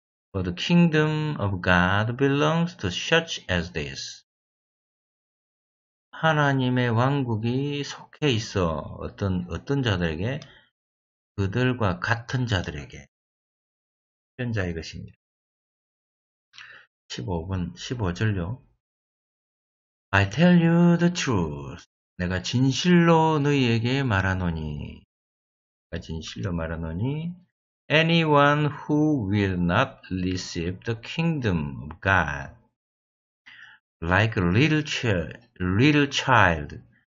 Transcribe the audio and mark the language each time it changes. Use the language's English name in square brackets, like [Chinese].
[English] For the kingdom of God belongs to such as this. [Korean] 하나님의 왕국이 속해 있어. 어떤 자들에게? 그들과 같은 자들에게. 현자의 것입니다. 15분, 15절요. [English] I tell you the truth. [Korean] 내가 진실로 너희에게 말하노니. 내가 진실로 말하노니. [English] Anyone who will not receive the kingdom of God like a little child.